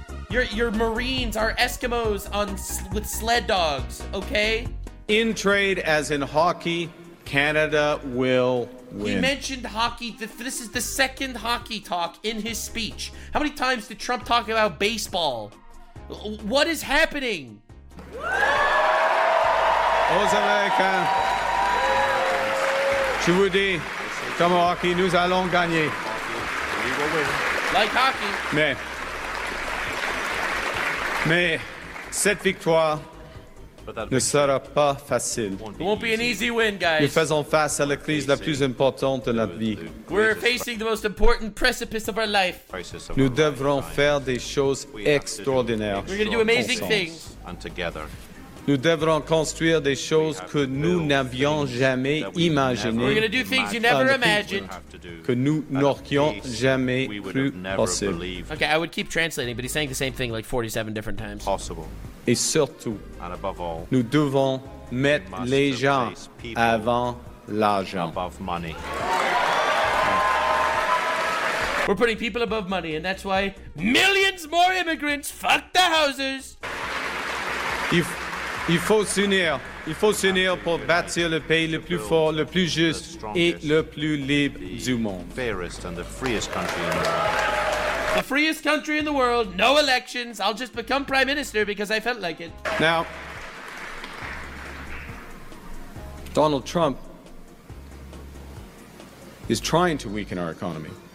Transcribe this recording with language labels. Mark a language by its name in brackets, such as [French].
[English] Your Marines are Eskimos with sled dogs, okay? In trade, as in hockey, Canada will... He mentioned hockey. This is the second hockey talk in his speech. How many times did Trump talk about baseball? What is happening? [French] Aux Américains, je vous dis, comme hockey, nous allons gagner. [English] We will win. Like hockey. [French] Mais cette victoire... ne sera pas facile. [English] It won't be an easy win, guys. [French] Nous faisons face à la crise la plus importante de notre vie. [English] We're facing the most important precipice of our life. [French] Nous devrons faire des choses extraordinaires. [English] We're going to do amazing things. And together. [French] Nous devrons construire des choses que nous n'avions jamais imaginées. [English] We're going to do things you never imagined. [French] Que nous n'aurions jamais cru possible. [English] Okay, I would keep translating, but he's saying the same thing like 47 different times. Possible. [French] Et surtout, [English] and above all, [French] nous devons mettre les gens avant l'argent. [English] Above money. We're putting people above money, and that's why millions more immigrants fuck the houses. [French] Il faut s'unir. Il faut s'unir pour bâtir le pays le plus fort, le plus juste et le plus libre du monde. [English] The fairest and the freest country in the world. The freest country in the world, no elections. I'll just become prime minister because I felt like it. Now, Donald Trump is trying to weaken our economy.